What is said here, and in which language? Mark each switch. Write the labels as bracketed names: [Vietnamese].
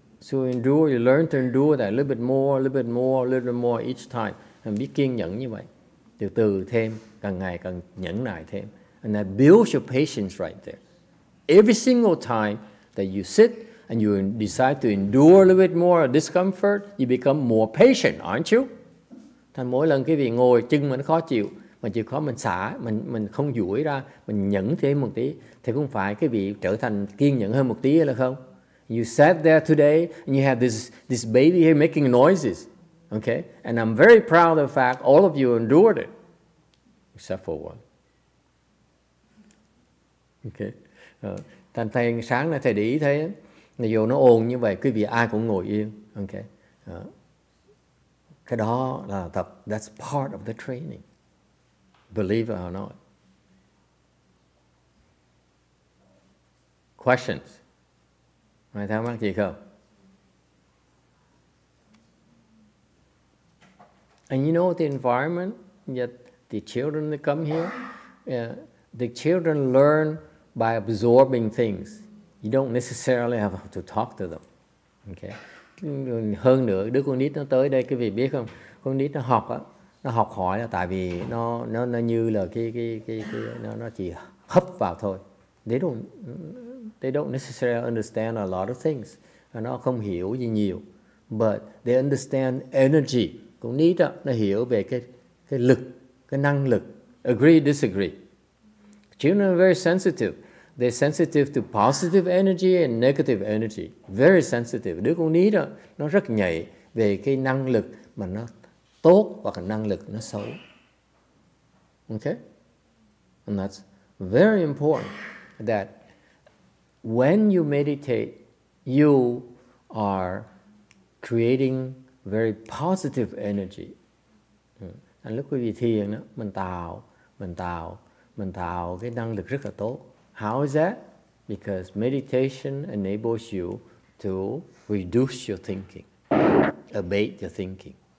[English] So endure, you learn to endure that a little bit more each time. [Vietnamese] And biết kiên nhẫn như vậy. Từ từ thêm, càng ngày càng nhẫn nại thêm. [English] And that builds your patience right there. Every single time that you sit and you decide to endure a little bit more discomfort, you become more patient, aren't you? [Vietnamese] Thành mỗi lần quý vị ngồi chân mình khó chịu, mình chịu khó mình xả, mình không duỗi ra, mình nhẫn thêm một tí, thì không phải quý vị trở thành kiên nhẫn hơn một tí là không? [English] You sat there today and you have this baby here making noises. Okay? And I'm very proud of the fact all of you endured it. Except for one. Okay? [Vietnamese] Thành thầy sáng nay thầy để ý thấy dù nó ồn như vậy, quý vị ai cũng ngồi yên. [English] Okay? [Vietnamese] Cái đó là tập, [English] that's part of the training. Believe it or not. [Vietnamese] Questions? Mày thắc mắc gì không? [English] And you know the environment that the children that come here? Yeah, the children learn by absorbing things. You don't necessarily have to talk to them. Okay. [Vietnamese] Hơn nữa, đứa con nít nó tới đây, quý vị biết không? Con nít nó học á, nó học hỏi là tại vì nó như là nó chỉ hấp vào thôi. [English] They don't necessarily understand a lot of things. [Vietnamese] Nó không hiểu gì nhiều. [English] But they understand energy. [Vietnamese] Con nít đó, nó hiểu về cái lực, cái năng lực. [English] Agree, disagree. Children are very sensitive. They're sensitive to positive energy and negative energy. Very sensitive. [Vietnamese] Đứa con nít đó, nó rất nhạy về cái năng lực mà nó tốt hoặc năng lực nó xấu. [English] Okay? And that's very important that when you meditate, you are creating very positive energy. [Vietnamese] And lúc quý vị thiền đó, mình tạo cái năng lực rất là tốt. [English] How is that? Because meditation enables you to reduce your thinking, abate your thinking.